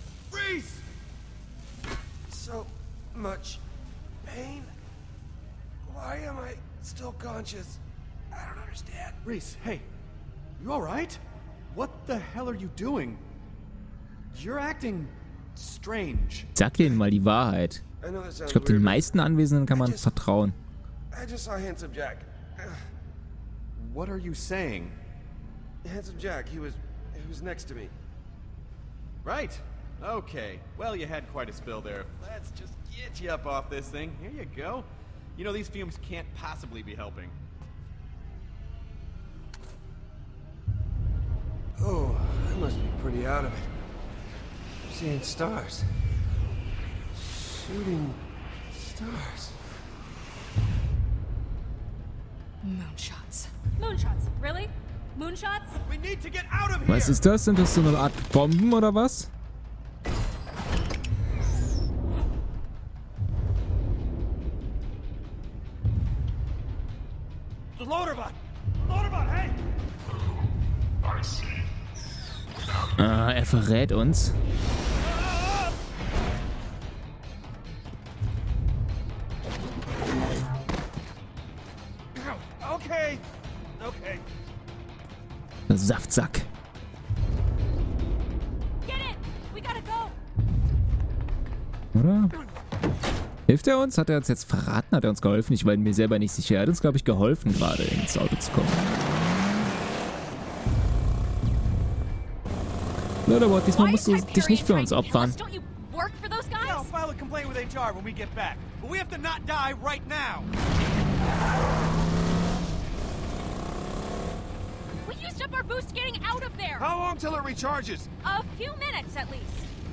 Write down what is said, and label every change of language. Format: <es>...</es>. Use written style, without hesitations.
<en>Freeze! So much pain. Why am I still conscious? I don't understand. Reese, hey. You all right? What the hell are you doing? You're acting strange.</en> <de>Sag denen mal die Wahrheit. Ich glaube, den meisten Anwesenden kann man vertrauen.</de> <en>I just saw Handsome Jack. What are you saying? Handsome Jack, he was next to me. Right. Okay. Well, you had quite a spill there. Let's just get you up off this thing. Here you go. You know, these fumes can't possibly be helping. Oh, I must be pretty out of it. I'm seeing stars. Shooting stars. Moonshots. Moonshots, really? Moonshots? We need to get out of here!</en> <de>Was ist das? Sind das so eine Art Bomben oder was?</de> <en>The Loaderbot! Loaderbot, hey! I see.</en> <de>Er verrät uns.</de> <en>Okay. Okay.</en> <de>Saftsack.</de> <en>Get it. We gotta go.</en> <de>Oder? Hilft er uns? Hat er uns jetzt verraten? Hat er uns geholfen? Ich war mir selber nicht sicher. Er hat uns, glaube ich, geholfen, gerade ins Auto zu kommen. Loaderbot, diesmal musst du dich nicht für uns opfern.</de> <en>Yeah, I'll file a complaint with HR when we get back. But we have to not die right now. We used up our boost getting out of there. How long till it recharges? A few minutes at least.</en>